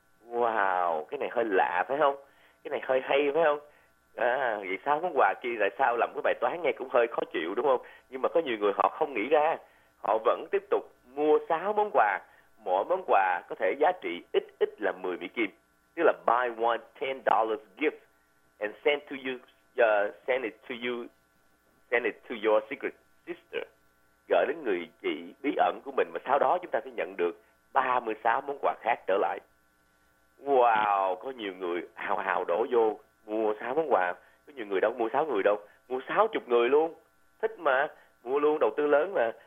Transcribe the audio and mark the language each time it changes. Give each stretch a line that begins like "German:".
Vietnamese: Wow, cái này hơi lạ phải không? Cái này hơi hay phải không? À, vậy 6 món quà kia tại sao làm cái bài toán nghe cũng hơi khó chịu đúng không? Nhưng mà có nhiều người họ không nghĩ ra. Họ vẫn tiếp tục mua 6 món quà. Mỗi món quà có thể giá trị ít ít là 10 Mỹ Kim.
English: Tức là buy one $10 gift and send it to your secret sister.
Vietnamese: Gửi đến người chị bí ẩn của mình, và sau đó chúng ta sẽ nhận được 36 món quà khác trở lại. Wow, có nhiều người hào hào đổ vô mua 6 món quà. Có nhiều người đâu mua 6 người đâu, mua 60 người luôn. Thích mà, mua luôn, đầu tư lớn mà.